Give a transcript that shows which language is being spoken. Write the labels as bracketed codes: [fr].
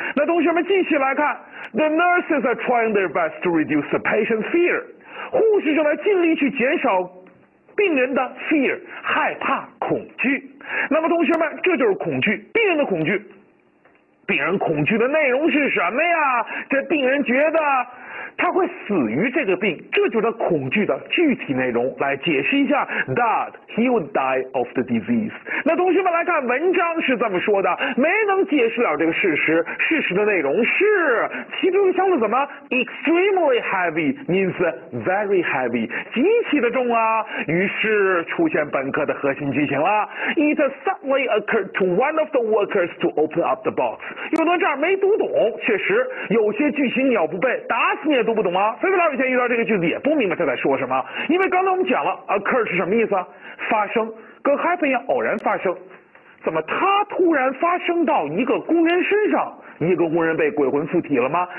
[zh] 那同学们继续来看， [en] The nurses are trying their best to reduce the patient's fear， [zh] 护士正在尽力去减少病人的 fear， 害怕恐惧。那么同学们，这就是恐惧，病人的恐惧，病人恐惧的内容是什么呀？这病人觉得他会死于这个病，这就是恐惧的具体内容。来解释一下 [en] that he would die of the disease。 [zh] 那同学们来看，文章是这么说的，没能解释了这个事实，事实的内容是其中相对怎么 [en] extremely heavy means very heavy， [zh] 极其的重啊。于是出现本课的核心剧情了， [en] it suddenly occurred to one of the workers to open up the box。 [zh] 有的这儿没读懂，确实有些剧情你要不背，打死你也读不懂啊。菲菲老师以前遇到这个句子也不明白他在说什么，因为刚才我们讲了 occur 是什么意思啊，发生，跟 happen 一样，偶然发生，怎么他突然发生到一个工人身上，一个工人被鬼魂附体了吗？